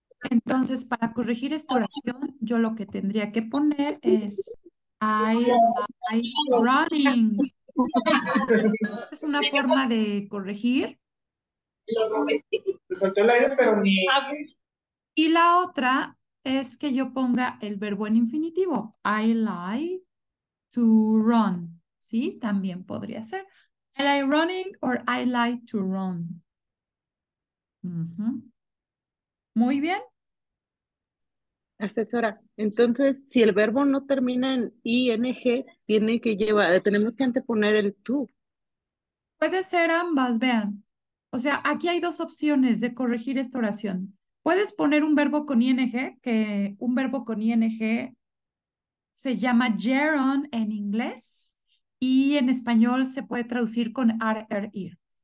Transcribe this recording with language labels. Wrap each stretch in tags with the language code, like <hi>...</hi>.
<es>Entonces, para corregir esta oración, yo lo que tendría que poner es</es> <en>I like running.</en> <es>Es una forma de corregir. Me soltó el aire, pero ni. Y la otra es que yo ponga el verbo en infinitivo.</es> <en>I like to run. ¿Sí?</en> <es>También podría ser.</es> <en>I like running or I like to run.</en> <es>Muy bien. Asesora, entonces, si el verbo no termina en ing, tiene que llevar, tenemos que anteponer el to. Puede ser ambas, vean. O sea, aquí hay dos opciones de corregir esta oración. Puedes poner un verbo con ing, que un verbo con ing se llama gerund en inglés y en español se puede traducir con ar, er, ir.</es>